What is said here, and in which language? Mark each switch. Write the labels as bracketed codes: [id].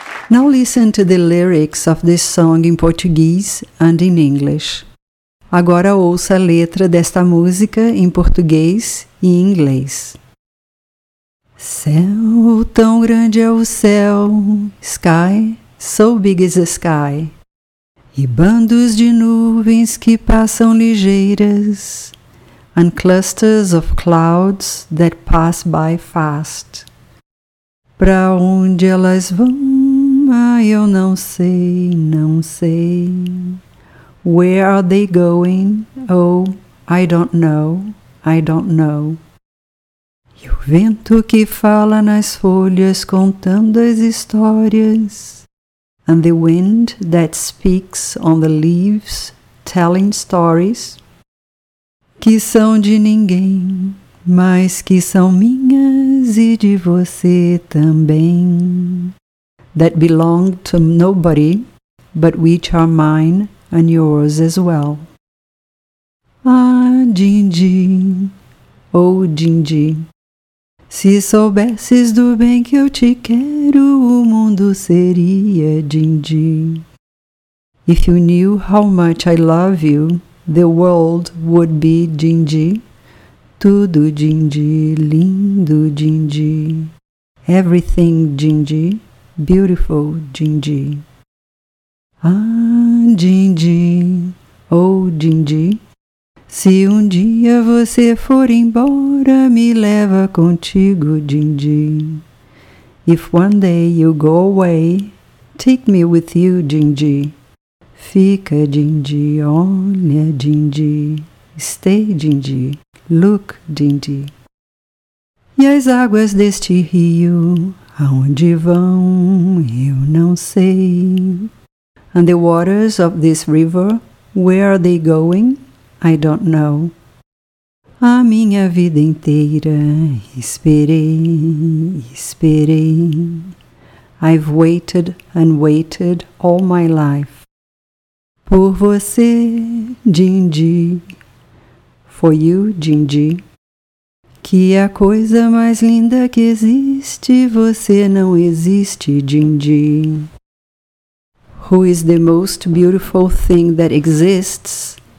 [en] Now listen to the lyrics of this song in Portuguese and in English. [pt] Agora ouça a letra desta música em português e em inglês. Céu, tão grande é o céu. [en] Sky, so big is the sky. [pt] E bandos de nuvens que passam ligeiras. [en] And clusters of clouds that pass by fast. [pt] Pra onde elas vão? Ah, eu não sei, não sei. [en] Where are they going? Oh, I don't know, I don't know. [pt] E o vento que fala nas folhas contando as histórias. [en] And the wind that speaks on the leaves telling stories. [pt] Que são de ninguém, mas que são minhas e de você também. [en] That belong to nobody, but which are mine and yours as well. [pt] Ah, Dindi, oh, Dindi. Se soubesses do bem que eu te quero, o mundo seria Dindi. [en] If you knew how much I love you, the world would be Dindi. [pt] Tudo Dindi, lindo Dindi. [en] Everything Dindi. Beautiful, Dindi. [pt] Ah, Dindi, oh, Dindi. Se um dia você for embora, me leva contigo, Dindi. [en] If one day you go away, take me with you, Dindi. [pt] Fica, Dindi, olha, Dindi. [en] Stay, Dindi, look, Dindi. [pt] E as águas deste rio, aonde vão, eu não sei. [en] And the waters of this river, where are they going? I don't know. [pt] A minha vida inteira esperei, esperei. [en] I've waited and waited all my life. [pt] Por você, Gingy. [en] For you, Gingy. [pt] Que a coisa mais linda que existe, você não existe, Gingy. [en] Who is the most beautiful thing that exists?